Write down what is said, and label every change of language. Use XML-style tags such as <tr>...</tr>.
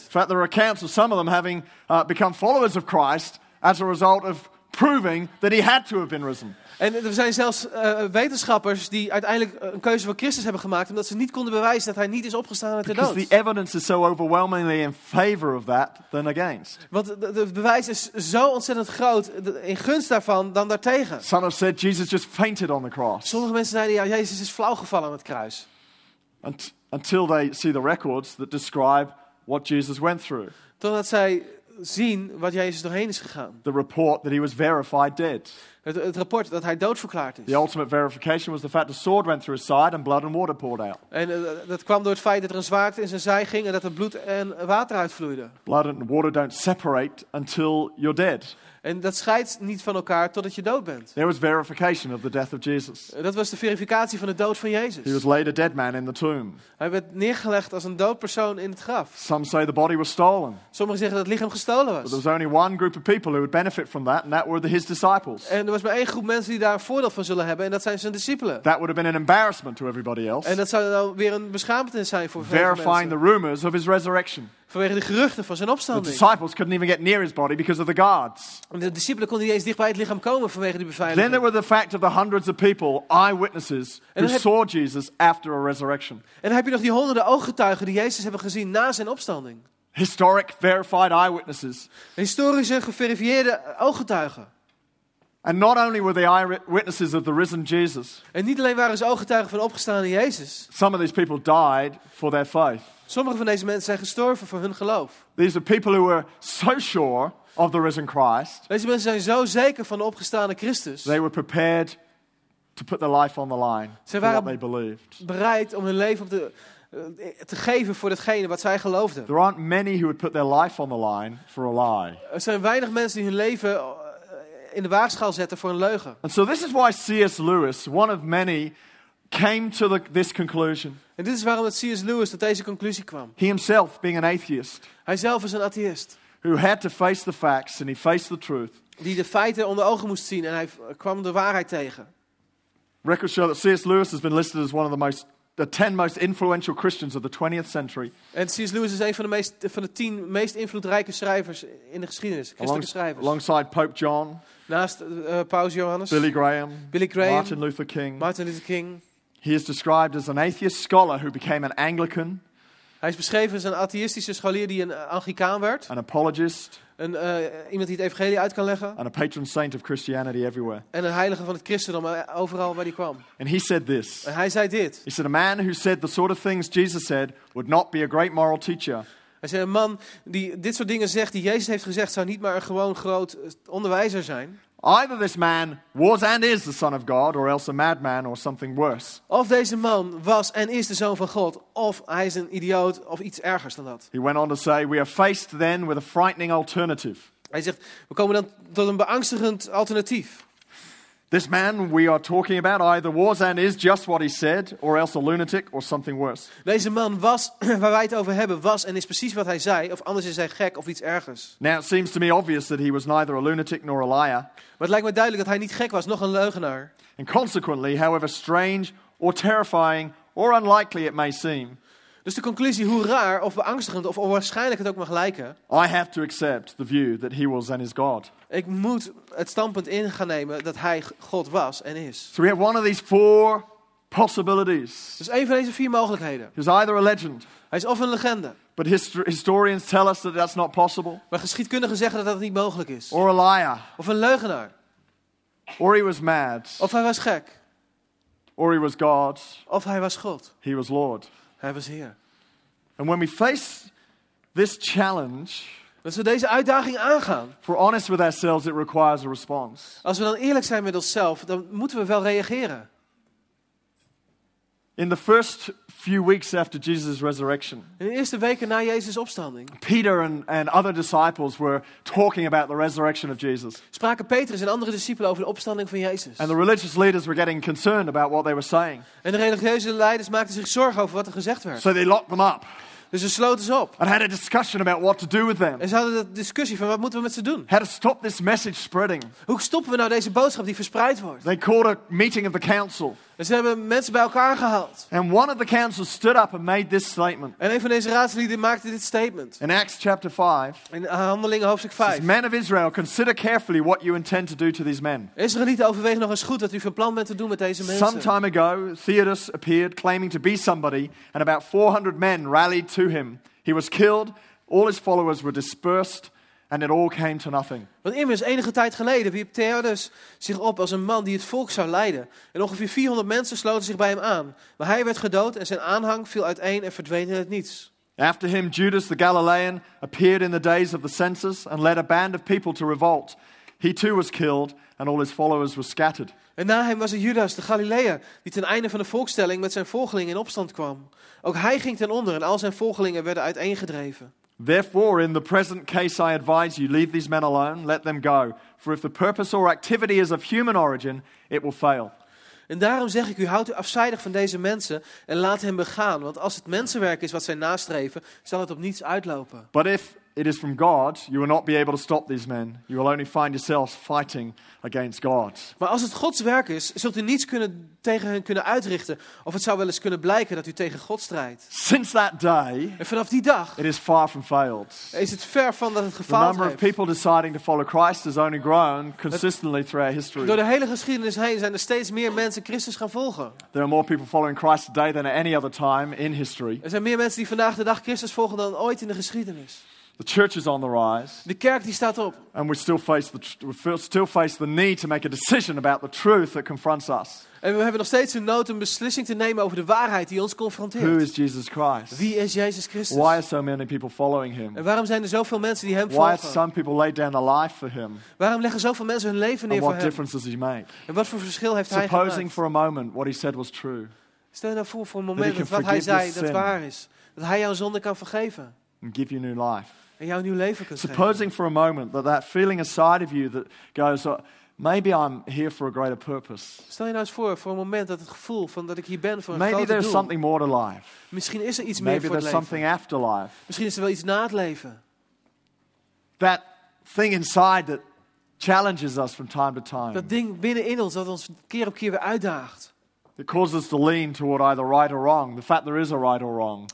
<en>In fact, there are accounts of some of them having become followers of Christ as a result of proving that he had to have been risen.</en> <nl>En er zijn zelfs wetenschappers die uiteindelijk een keuze voor Christus hebben gemaakt omdat ze niet konden bewijzen dat hij niet is opgestaan uit de dood.</nl> <en>Because the evidence is so overwhelmingly in favor of that than against.</en> <nl>Want het bewijs is zo ontzettend groot in gunst daarvan dan daartegen.</nl> <en>Some have said Jesus just fainted on the cross.</en> <nl>Sommige mensen zeiden ja, Jezus is flauw gevallen aan het kruis.</nl> <en>Until they see the records that describe what Jesus went through.</en> <nl>Totdat zij zien wat Jezus doorheen is gegaan.</nl> <en>The report that he was verified dead.</en> <nl>Het rapport dat hij doodverklaard is.</nl> <en>The ultimate verification was the fact the sword went through his side and blood and water poured out.</en> <nl>En dat kwam door het feit dat er een zwaard in zijn zij ging en dat er bloed en water uitvloeide.</nl> <en>Blood and water don't separate until you're dead.</en> <nl>En dat scheidt niet van elkaar totdat je dood bent.</nl> <en>There was verification of the death of Jesus.</en> <nl>Dat was de verificatie van de dood van Jezus.</nl> <en>He was laid a dead man in the tomb.</en> <nl>Hij werd neergelegd als een dood persoon in het graf.</nl> <en>Some say the body was stolen.</en> <nl>Sommigen zeggen dat het lichaam gestolen was.</nl> <en>But there was only one group of people who would benefit from that, and that were his disciples.</en> <nl>En er was maar één groep mensen die daar een voordeel van zullen hebben, en dat zijn zijn discipelen.</nl> <en>That would have been an embarrassment to everybody else.</en> <nl>En dat zou dan weer een beschaamdheid zijn voor veel mensen.</nl> <en>Verifying the rumors of his resurrection.</en> <nl>Vanwege de geruchten van zijn opstanding.</nl> <en>The disciples couldn't even get near his body because of the guards.</en> <nl>De discipelen konden niet eens dichtbij het lichaam komen vanwege die beveiliging.</nl> <en>Then there were the fact of the hundreds of people, eyewitnesses, who saw Jesus after a resurrection.</en> <nl>En dan heb je nog die honderden ooggetuigen die Jezus hebben gezien na zijn opstanding.</nl> <en>Historic verified eyewitnesses.</en> <nl>Historische geverifieerde ooggetuigen.</nl> <en>And not only were they eyewitnesses of the risen Jesus.</en> <nl>En niet alleen waren ze ooggetuigen van de opgestaande Jezus.</nl> <en>Some of these people died for their faith.</en> <nl>Sommige van deze mensen zijn gestorven voor hun geloof.</nl> <en>These are people who were so sure of the risen Christ.</en> <nl>Deze mensen zijn zo zeker van de opgestaande Christus.</nl> <en>They were prepared to put their life on the line.</en> <nl>Ze waren</nl> <en>for what they believed.</en> <nl>Bereid om hun leven op te geven voor datgene wat zij geloofden.</nl> <en>There aren't many who would put their life on the line for a lie.</en> <nl>Er zijn weinig mensen die hun leven in de waagschaal zetten voor een leugen.</nl> <en>And so this is why C.S. Lewis, one of many, came to this conclusion.</en> <nl>En dit is waarom het C.S. Lewis tot deze conclusie kwam.</nl> <en>He himself being an atheist.</en> <nl>Hij zelf is een atheïst.</nl> <en>Who had to face the facts and he faced the truth.</en> <nl>Die de feiten onder ogen moest zien en hij kwam de waarheid tegen.</nl> <en>Records show that C.S. Lewis has been listed as one of the 10 most influential Christians of the 20th century.</en> <nl>En C.S. Lewis is een van de 10 meest invloedrijke schrijvers in de geschiedenis, christelijke schrijvers.</nl> <en>Alongside Pope John.</en> <nl>Naast Paus Johannes. Billy Graham. Martin Luther King.</nl> <en>He is described as an atheist scholar who became an Anglican.</en> <nl>Hij is beschreven als een atheïstische scholier die een Anglicaan werd.</nl> <en>An apologist.</en> <nl>Iemand die het evangelie uit kan leggen.</nl> <en>And a patron saint of Christianity everywhere.</en> <nl>En een heilige van het christendom overal waar hij kwam.</nl> <en>And he said this.</en> <nl>En hij zei dit.</nl> <en>He said a man who said the sort of things Jesus said would not be a great moral teacher.</en> <nl>Hij zei een man die dit soort dingen zegt die Jezus heeft gezegd zou niet maar een gewoon groot onderwijzer zijn.</nl> <en>Either this man was and is the son of God, or else a madman, or something worse.</en> <nl>Of deze man was en is de zoon van God, of hij is een idioot, of iets ergers dan dat.</nl> <en>He went on to say, we are faced then with a frightening alternative.</en> <nl>Hij zegt, we komen dan tot een beangstigend alternatief.</nl> <en>This man we are talking about either was and is just what he said, or else a lunatic, or something worse.</en> <nl>Deze man was, waar wij het over hebben, was en is precies wat hij zei, of anders is hij gek, of iets ergers.</nl> <en>Now it seems to me obvious that he was neither a lunatic nor a liar.</en> <nl>Maar het lijkt me duidelijk dat hij niet gek was, nog een leugenaar.</nl> <en>And consequently, however strange, or terrifying, or unlikely it may seem.</en> <nl>Dus de conclusie, hoe raar, of beangstigend, of onwaarschijnlijk het ook mag lijken.</nl> <en>I have to accept the view that he was and is God.</en> <nl>Ik moet het standpunt in gaan nemen dat hij God was en is.</nl> <en>So we have one of these four possibilities.</en> <nl>Dus één van deze vier mogelijkheden.</nl> <en>He's either a legend.</en> <nl>Hij is of een legende.</nl> <en>But historians tell us that that's not possible.</en> <nl>Maar geschiedkundigen zeggen dat dat niet mogelijk is.</nl> <en>Or a liar.</en> <nl>Of een leugenaar.</nl> <en>Or he was mad.</en> <nl>Of hij was gek.</nl> <en>Or he was God.</en> <nl>Of hij was God.</nl> <en>He was Lord.</en> <nl>Hij was Heer.</nl> <en>And when we face this challenge.</en> <nl>Als we deze uitdaging aangaan.</nl> <en>For honest with ourselves, it requires a response.</en> <nl>Als we dan eerlijk zijn met onszelf, dan moeten we wel reageren.</nl> <en>In the first few weeks after Jesus' resurrection,</en> <nl>in de eerste weken na Jezus' opstanding,</nl> <en>Peter and other disciples were talking about the resurrection of Jesus.</en> <nl>Spraken Petrus en andere discipelen over de opstanding van Jezus.</nl> <en>And the religious leaders were getting concerned about what they were saying.</en> <nl>En de religieuze leiders maakten zich zorgen over wat er gezegd werd.</nl> <en>So they locked them up.</en> <nl>Dus ze sloten ze op.</nl> <en>And had a discussion about what to do with them.</en> <nl>En ze hadden een discussie van wat moeten we met ze doen.</nl> <en>How to stop this message spreading.</en> <nl>Hoe stoppen we nou deze boodschap die verspreid wordt?</nl> <en>They called a meeting of the council.</en> <nl>En ze hebben mensen bij elkaar gehaald.</nl> <en>And one of the council stood up and made this statement.</en> <nl>En een van deze raadslieden maakte dit statement.</nl> <en>In Acts chapter 5.</en> <nl>In Handelingen hoofdstuk 5.</nl> <en>Says, men of Israel, consider carefully what you intend to do to these men.</en> <nl>Israëlieten, overweeg nog eens goed wat u van plan bent te doen met deze mensen.</nl> <en>Some time ago, Theudas appeared claiming to be somebody and about 400 men rallied to him. He was killed, all his followers were dispersed. And it all came to nothing.</en> <nl>Want immers enige tijd geleden wierp Theudas zich op als een man die het volk zou leiden. En ongeveer 400 mensen sloten zich bij hem aan. Maar hij werd gedood en zijn aanhang viel uiteen en verdween in het niets.</nl> <en>After him, Judas the Galilean appeared in the days of the census and led a band of people to revolt. He too was killed and all his followers were scattered.</en> <nl>En na hem was er Judas de Galilea, die ten einde van de volkstelling met zijn volgelingen in opstand kwam. Ook hij ging ten onder en al zijn volgelingen werden uiteengedreven.</nl> <en>Therefore, in the present case, I advise you, leave these men alone, let them go. For if the purpose or activity is of human origin, it will fail.</en> <nl>En daarom zeg ik u, houd u afzijdig van deze mensen en laat hen begaan. Want als het mensenwerk is wat zij nastreven, zal het op niets uitlopen.</nl> <en>But if it is from God, you will not be able to stop these men. You will only find yourselves fighting against God.</en> <nl>Maar als het Gods werk is, zult u niets kunnen tegen hen kunnen uitrichten, of het zou wel eens kunnen blijken dat u tegen God strijdt.</nl> <en>Since that day,</en> <nl>en vanaf die dag,</nl> <en>it is far from failed.</en> <nl>Is het ver van dat het gefaald heeft.</nl> <en>The number of people deciding to follow Christ has only grown consistently throughout history.</en> <nl>Door de hele geschiedenis heen zijn er steeds meer mensen Christus gaan volgen.</nl> <en>There are more people following Christ today than at any other time in history.</en> <nl>Er zijn meer mensen die vandaag de dag Christus volgen dan ooit in de geschiedenis.</nl> <en>The church is on the rise.</en> <nl>De kerk die staat op.</nl> <en>And we still face the need to make a decision about the truth that confronts us.</en> <nl>En we hebben nog steeds een nood een beslissing te nemen over de waarheid die ons confronteert.</nl> <en>Who is Jesus Christ?</en> <nl>Wie is Jezus Christus?</nl> <en>Why are so many people following him?</en> <nl>En waarom zijn er zoveel mensen die hem</nl> <en>Why</en> <nl>volgen?</nl> <en>Why have some people laid down their life for him?</en> <nl>Waarom leggen zoveel mensen hun leven neer</nl> <en>And</en> <nl>voor</nl> <en>what</en> <nl>hem?</nl> <en>Difference does he make?</en> <nl>En wat voor verschil heeft</nl> <en>Supposing</en> <nl>hij gemaakt?</nl> <en>Supposing for a moment what he said was true.</en> <nl>Stel nou voor een moment dat wat hij zei dat waar is. Dat hij jouw zonde kan vergeven.</nl> <en>And give you new life.</en> <nl>En jouw nieuw leven kunt</nl> <en>Supposing</en> <nl>geven.</nl> <en>For a moment that feeling inside of you that goes, maybe I'm here for a greater purpose.</en> <nl>Stel je nou eens voor een moment dat het gevoel van dat ik hier ben voor een</nl> <en>maybe</en> <nl>groter</nl> <en>there's</en> <nl>doel.</nl> <en>Something more to life.</en> <nl>Misschien is er iets</nl> <en>maybe</en> <nl>meer voor het leven.</nl> <en>Something after life.</en> <nl>Misschien is er wel iets na het leven.</nl> <en>That thing inside that challenges us from time to time.</en> <nl>Dat ding binnenin ons dat ons keer op keer weer uitdaagt.</nl> <en>It causes us to lean toward either right or wrong. The fact there is a right or wrong.</en>